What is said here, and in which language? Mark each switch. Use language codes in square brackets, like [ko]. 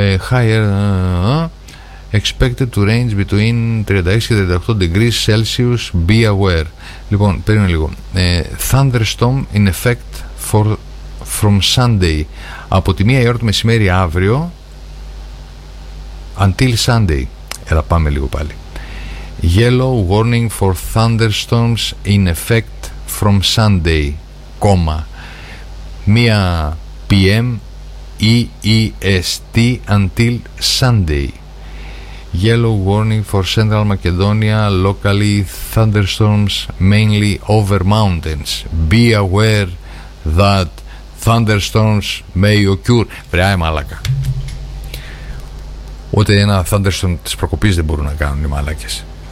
[en] Higher expected to range between 36 και 38 degrees Celsius. Be aware. [el] Λοιπόν, περίμενε λίγο. [en] Thunderstorm in effect from Sunday. [el] Από τη 1 η ώρα το μεσημέρι αύριο [en] until Sunday. [el] Έλα, πάμε λίγο πάλι. [en] Yellow warning for thunderstorms in effect from Sunday, comma. 1 p.m. EEST until Sunday. Yellow warning for Central Macedonia, locally thunderstorms mainly over mountains. Be aware that thunderstorms may occur. [el] Βρεάε μάλακα. Ούτε ένα thunderstorm της προκοπής δεν μπορούν να κάνουν οι μάλακες.